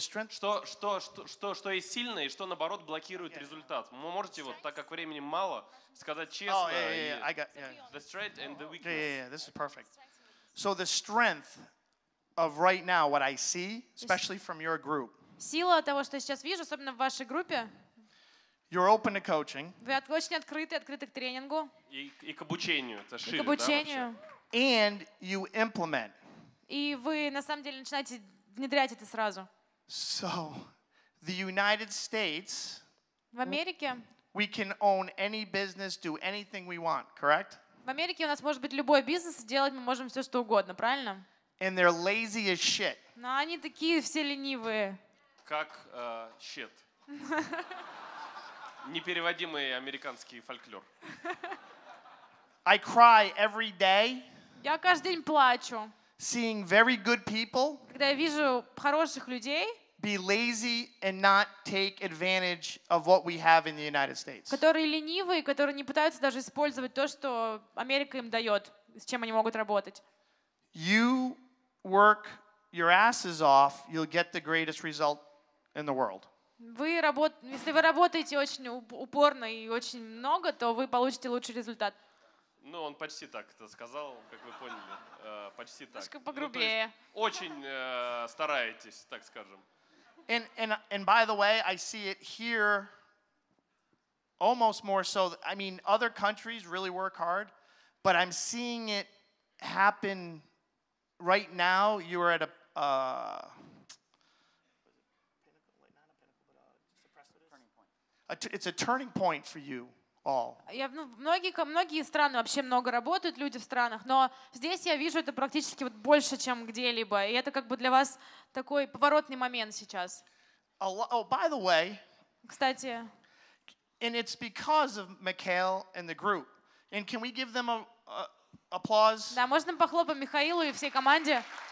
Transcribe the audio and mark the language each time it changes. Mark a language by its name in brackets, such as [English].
[Russian] Что есть сильное, и что наоборот блокирует результат? Вы можете вот, так как времени мало, сказать честно. [English] The strength and the weakness. Yeah, this is perfect. So the strength of right now, what I see, especially from your group. [Russian] Сила того, что я сейчас вижу, особенно в вашей группе. [English] You're open to coaching. [Russian] Вы очень открыты к тренингу. И к обучению. Это шире, и к обучению. Да, [English] and you implement. [Russian] И вы на самом деле начинаете внедрять это сразу. [English] So, the United States. [Russian] В Америке. [English] We can own any business, do anything we want, correct? [Russian] В Америке у нас может быть любой бизнес, делать мы можем все, что угодно, правильно? [English] And they're lazy as shit. [Russian] Но они такие все ленивые. Как shit. Непереводимый американский фольклор. [English] I cry every day. [Russian] Я каждый день плачу. [English] Seeing very good people. [Russian] Когда я вижу хороших людей. [English] Be lazy and not take advantage of what we have in the United States. [Russian] Которые ленивые, которые не пытаются даже использовать то, что Америка им дает, с чем они могут работать. [English] You work your asses off, you'll get the greatest result in the world. [Russian] Если вы работаете очень упорно и очень много, то вы получите лучший результат. Ну, он почти так это сказал, как вы поняли. Почти так. Немножко погрубее. Ну, очень стараетесь, так скажем. [English] And by the way, I see it here almost more so. I mean, other countries really work hard, but I'm seeing it happen right now. You are at a... it's a turning point for you all. [Russian] Многие страны вообще много работают, люди в странах, но здесь я вижу это практически больше, чем где-либо. И это как бы для вас такой поворотный момент сейчас. [English] By the way, [Russian] кстати, [English] and it's because of Mikhail and the group. And can we give them an applause? [Russian] Да, можно похлопать Михаилу и всей команде.